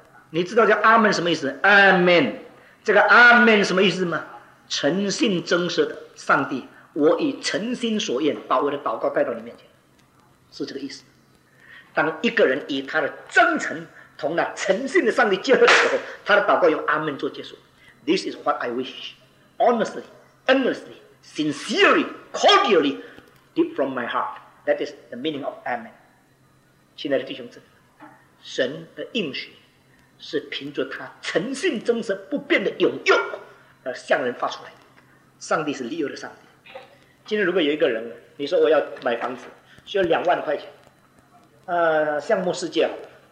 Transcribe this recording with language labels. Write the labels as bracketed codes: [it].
[zh] 你知道叫阿门什么意思？阿门，这个阿门什么意思吗？诚信真实的上帝，我以诚心所愿把我的祷告带到你面前，是这个意思。当一个人以他的真诚同那诚信的上帝结合的时候，他的祷告用阿门做结束。 [en] This is what I wish honestly, earnestly, sincerely, cordiallyDeep from my heart, that is the meaning of Amen. [zh] 亲爱的弟兄姊妹，神的应许是凭着他诚信真实不变的永约而向人发出来的。上帝是立约的上帝。今天如果有一个人，你说我要买房子，需要2万块钱，向牧师借好了。